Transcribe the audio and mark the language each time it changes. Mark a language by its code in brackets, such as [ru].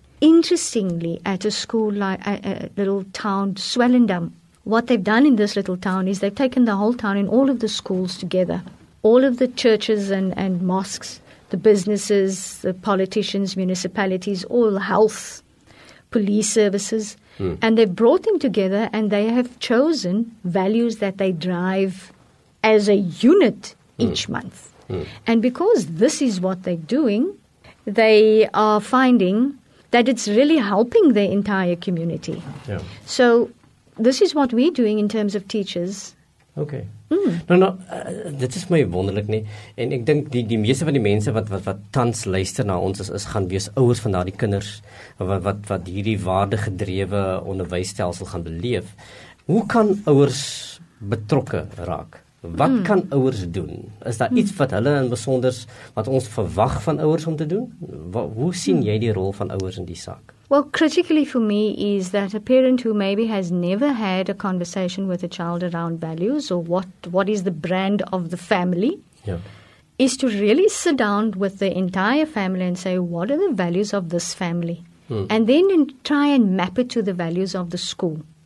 [en] Interestingly, at a school like a little town, Swellendam, what they've done in this little town is they've taken the whole town and all of the schools together, all of the churches and mosques, the businesses, the politicians, municipalities, all health, police services, and they've brought them together and they have chosen values that they drive as a unit each month. And because this is what they're doing, they are finding that it's really helping the entire community. Yeah. So this is what we're doing in terms of teachers. [af] Okay. Nou, dit is my wonderlik nie. En ek dink die meeste van die mense wat tans luister na ons is gaan wees ouers van daardie kinders wat hierdie waarde gedrewe onderwysstelsel gaan beleef. Hoe kan ouers betrokke raak? Wat kan ouers doen? Is daar iets wat hulle in besonder wat ons verwag van ouers om te doen? Hoe sien jy die rol van ouers in die saak? [en] Well, critically for me is that a parent who maybe has never had a conversation with a child around values or what is the brand of the family, is to really sit down with the entire family and say, what are the values of this family? And then try and map it to the values of the school.